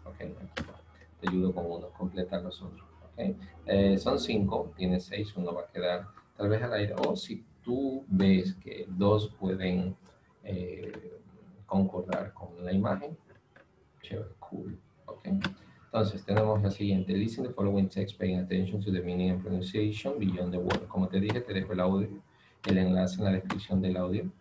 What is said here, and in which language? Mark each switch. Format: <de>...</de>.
<es>Okay, te ayudo con uno, completa los otros. Okay, son cinco, tienes seis, uno va a quedar tal vez al aire. O si tú ves que dos pueden concordar con la imagen, chévere, cool. Okay. Entonces, tenemos la siguiente.</es> <en>Listen the following text, paying attention to the meaning and pronunciation beyond the word.</en> <es>Como te dije, te dejo el audio, el enlace en la descripción del audio.</es>